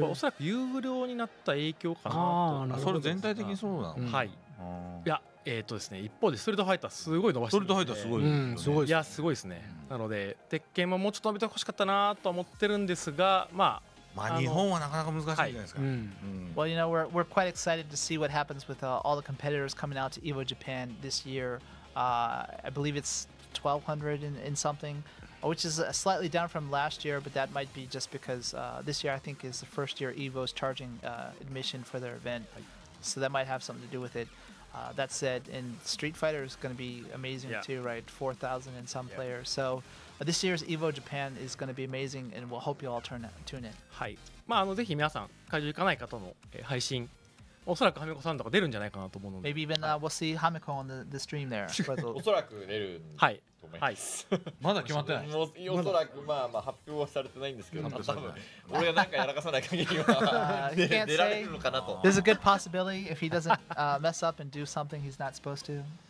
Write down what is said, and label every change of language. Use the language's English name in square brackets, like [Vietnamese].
[Japanese] まあ、おそらく有料になった影響かなと。あ、それ全体的にそうなの、うん、はい、いや、ですね、一方でストリートファイターすごい伸ばしてる。ストリートファイターすごいすごい、いや、すごいですね、うん、なので鉄拳ももうちょっと伸びてほしかったなと思ってるんですが、まあまあ、日本はなかなか難しいじゃないですか。はい、 [English] Well, you know, we're quite excited to see what happens with all the competitors coming out to EVO Japan this year. I believe it's 1200 in something, which is slightly down from last year, but that might be just because this year I think is the first year EVO's charging admission for their event. So that might have something to do with it. That said, and Street Fighter is going to be amazing too, right? 4000 and some players. So this year's EVO Japan is going to be amazing, and we'll hope you all tune in. [Japanese] はい。まあ、ぜひ皆さん、会場行かない方の配信、おそらくハメコさんとか出るんじゃないかなと思うので。 [English] Maybe even we'll see ハメコ on the stream there. [Japanese] おそらく出る。はい。はい。まだ決まってない。おそらく、まあまあ発表はされてないんですけど、多分俺がなんかやらかさない限りは出られるのかなと。 [English] There's a good possibility if he doesn't mess up and do something he's not supposed to.